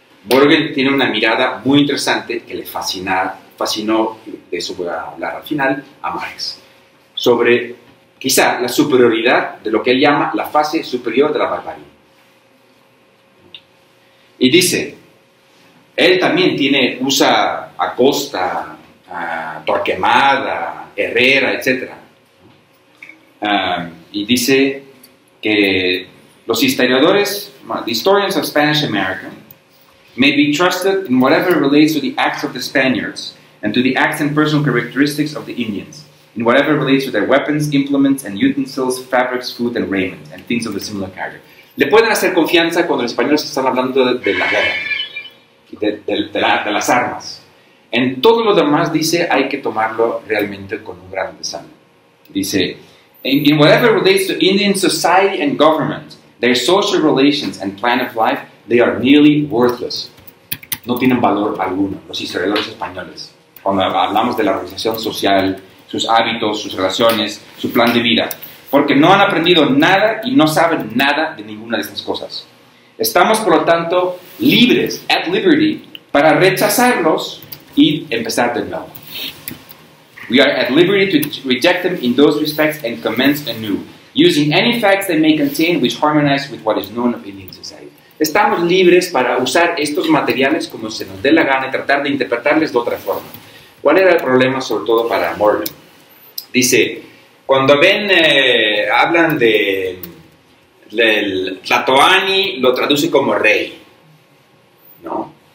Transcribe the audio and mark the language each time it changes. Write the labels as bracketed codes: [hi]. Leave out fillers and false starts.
[es] Morgan tiene una mirada muy interesante que le fascinó, de eso voy a hablar al final, a Marx, sobre quizá la superioridad de lo que él llama la fase superior de la barbarie. Y dice, él también usa Acosta, Torquemada, Herrera, etc. Y dice que los historiadores, [en] the historians of Spanish America, may be trusted in whatever relates to the acts of the Spaniards and to the acts and personal characteristics of the Indians, in whatever relates to their weapons, implements and utensils, fabrics, food and raiment, and things of a similar character. [es] Le pueden hacer confianza cuando los españoles están hablando de la guerra. De las armas. En todo lo demás, dice, hay que tomarlo realmente con un gran sal. Dice, [en] in whatever relates to Indian society and government, their social relations and plan of life, they are nearly worthless. [es] No tienen valor alguno, los historiadores españoles. Cuando hablamos de la organización social, sus hábitos, sus relaciones, su plan de vida. Porque no han aprendido nada y no saben nada de ninguna de estas cosas. Estamos, por lo tanto, libres, [en] at liberty, [es] para rechazarlos y empezar de nuevo. [en] We are at liberty to reject them in those respects and commence anew, using any facts they may contain which harmonize with what is known of Indian society. [es] Estamos libres para usar estos materiales como se nos dé la gana y tratar de interpretarles de otra forma. ¿Cuál era el problema, sobre todo para Morgan? Dice, cuando ven, hablan de el Tlatoani lo traduce como rey, ¿no?